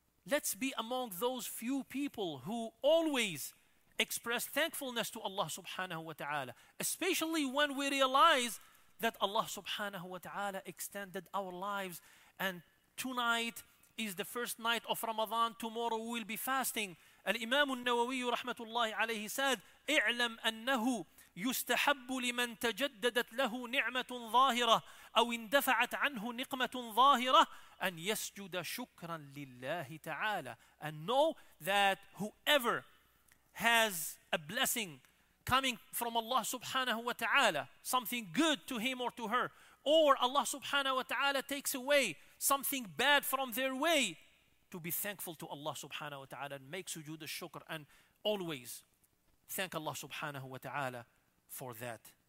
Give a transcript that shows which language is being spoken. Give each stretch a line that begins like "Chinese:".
English: Let's be among those few people who always express thankfulness to Allah subhanahu wa ta'ala, especially when we realize that Allah subhanahu wa ta'ala extended our lives, and tonight is the first night of Ramadan, tomorrow we will be fasting. Al-Imam al-Nawawi rahmatullahi alayhi said,
Arabic: اِعْلَمْ أَنَّهُ يُسْتَحَبُّ لِمَنْ تَجَدَّدَتْ لَهُ نِعْمَةٌ ظَاهِرَةٌ أَوْ اِنْدَفَعَتْ عَنْهُ نِقْمَةٌ ظَاهِرَةٌ أَنْ يَسْجُدَ شُكْرًا لِلَّهِ تَعَالَى.
English: And know that whoever has a blessing coming from Allah subhanahu wa ta'ala, something good to him or to her, or Allah subhanahu wa ta'ala takes away something bad from their way, to be thankful to Allah subhanahu wa ta'ala and make sujood al-shukr and always thank Allah subhanahu wa ta'ala for that.